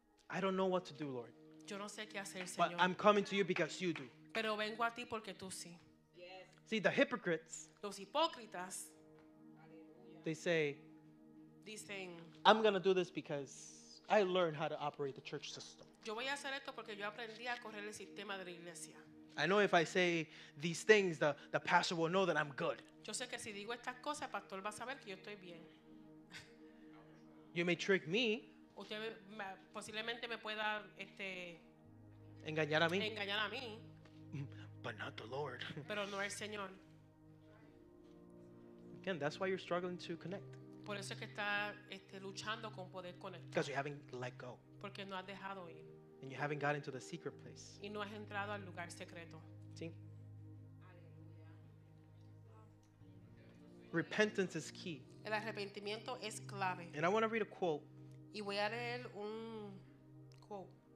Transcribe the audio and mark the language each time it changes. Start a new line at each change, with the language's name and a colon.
English: I don't know what to do, Lord.
Spanish: Yo no sé qué hacer, Señor.
English: But I'm coming to you because you do.
Spanish: Pero vengo a ti porque tú sí.
English: See, the hypocrites,
Spanish: los hipócritas,
English: they say,
Spanish: dicen,
English: I'm going to do this because I learned how to operate the church system.
Spanish: Yo voy a hacer esto porque yo aprendí a correr el sistema de la iglesia.
English: I know if I say these things, the pastor will know that I'm good.
Spanish: Yo sé que si digo estas cosas, el pastor va a saber que yo estoy bien.
English: You may trick me.
Spanish: Usted posiblemente me pueda engañar a mí. Engañar a mí.
English: But not the Lord.
Spanish: Pero no el Señor.
English: Again, that's why you're struggling to connect.
Spanish: Por eso es que está luchando con poder conectar.
English: Because you haven't let go.
Spanish: Porque no has dejado ir.
English: And you haven't gotten to the secret place.
Spanish: Y no has entrado al lugar secreto. Sí.
English: Repentance is key.
Spanish: El arrepentimiento es clave.
English: And I want to read a quote.
Spanish: Y voy a leer un quote